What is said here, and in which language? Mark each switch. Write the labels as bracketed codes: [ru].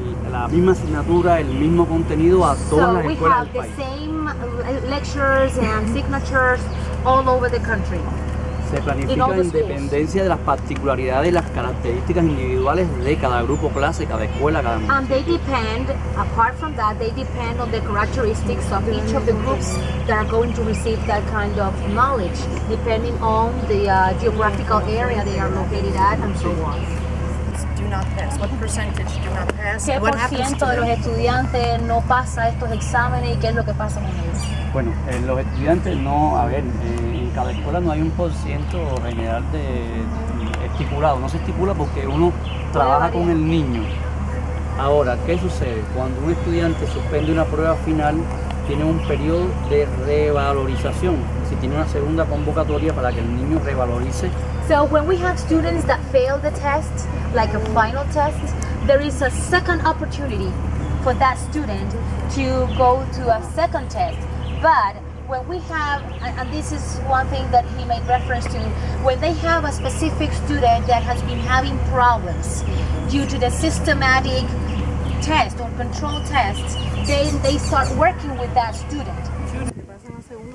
[es] La misma asignatura, el mismo contenido a todas las escuelas del país. [en] So we have the same lectures and signatures all over the country. [es] Se planifica en dependencia de las particularidades y las características individuales de cada grupo clase, cada escuela, cada [en] And they depend, apart from that, they depend on the characteristics of each of the groups that are going to receive that kind of knowledge, depending on the geographical area they are located at and so on. Not pass. What percentage do not pass? [es] ¿Qué por ciento de los estudiantes no pasa estos exámenes y qué es lo que pasa con ellos? Bueno, los estudiantes no, a ver, en cada escuela no hay un por ciento general de estipulado. No se estipula porque uno trabaja con el niño. Ahora, ¿qué sucede? Cuando un estudiante suspende una prueba final, tiene un periodo de revalorización. Si tiene una segunda convocatoria para que el niño revalorice. [en] So when we have students that fail the test, like a final test, there is a second opportunity for that student to go to a second test. But when we have, and this is one thing that he made reference to, when they have a specific student that has been having problems due to the systematic test or control test, then they start working with that student.